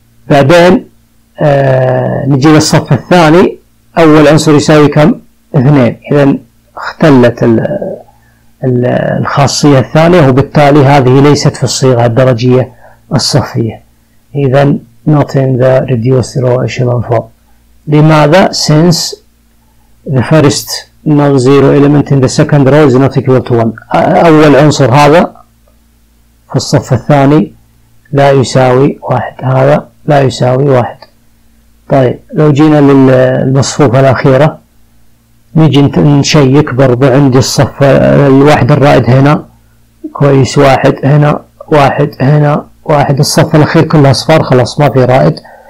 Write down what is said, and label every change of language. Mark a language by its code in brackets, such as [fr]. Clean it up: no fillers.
[ar] بعدين نجي للصف الثاني، أول عنصر يساوي كم؟ اثنين. إذن اختلت الخاصية الثانية، وبالتالي هذه ليست في الصيغة الدرجية الصفية، إذن [en] not in the reduced row echelon form. لماذا؟ since the first non-zero element in the second row is not equal to one. [ar] أول عنصر هذا في الصف الثاني لا يساوي واحد، هذا لا يساوي واحد. طيب لو جينا للمصفوفة الأخيرة نجي نشيك برضو، عندي الصف الواحد الرائد هنا كويس، واحد هنا، واحد هنا، واحد، الصف الأخير كله أصفر خلاص ما في رائد.